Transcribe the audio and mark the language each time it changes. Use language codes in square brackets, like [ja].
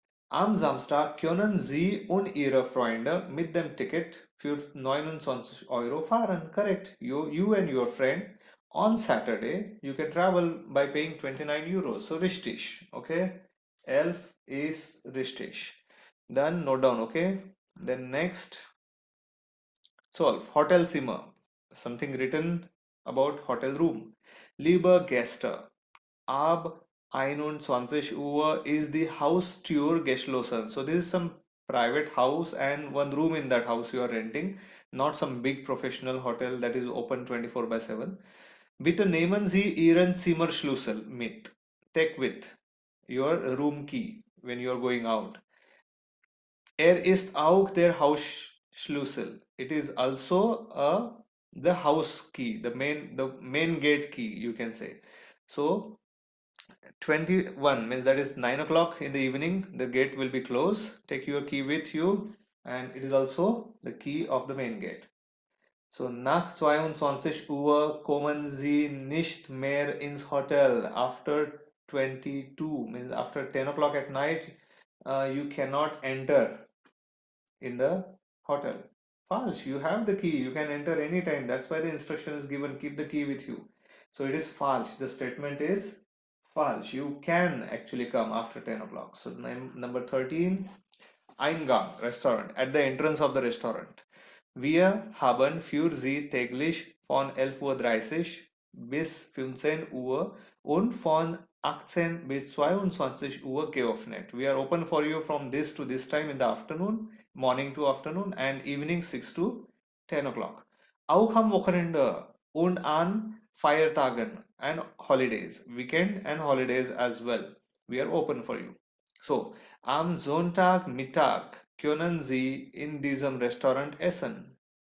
[de] Am Samstag können Sie und Ihre Freunde mit dem Ticket für 29 Euro fahren. [en] Correct. You and your friend on Saturday, you can travel by paying 29 euros. [de] So richtig. [en] Okay. 11 is [de] richtig. [en] Then note down. Okay. Then next. 12. [de] Hotel Zimmer. [en] Something written about hotel room. [de] Liebe Gäste, ab 21 Uhr [en] is the house tour [de] geschlossen. [en] So this is some private house, and one room in that house you are renting, not some big professional hotel that is open 24/7. [de] Bitte nehmen Sie Ihren Zimmerschlüssel mit. [en] Take with your room key when you are going out. [de] Ist auch der Haus Schlüssel. [en] It is also the house key, the main gate key, you can say. So 21 means that is 9 o'clock in the evening, the gate will be closed. Take your key with you, and it is also the key of the main gate. [de] So, nach 22 Uhr kommen Sie nicht mehr ins Hotel. [en] After 22, means after 10 o'clock at night, you cannot enter in the hotel. False, you have the key, you can enter anytime. That's why the instruction is given, keep the key with you. So, it is false. The statement is false. You can actually come after 10 o'clock. So, number 13, Eingang, restaurant, at the entrance of the restaurant. [de] Wir haben für Sie täglich von 11.30 Uhr bis 15 Uhr und von 18 bis 22 Uhr geöffnet. [en] We are open for you from this to this time in the afternoon, morning to afternoon and evening 6 to 10 o'clock. [de] Auch am Wochenende und an Feiertagen [en] and holidays, weekend and holidays as well. We are open for you. [de] So, am Sonntag Mittag. Können Sie in diesem Restaurant essen?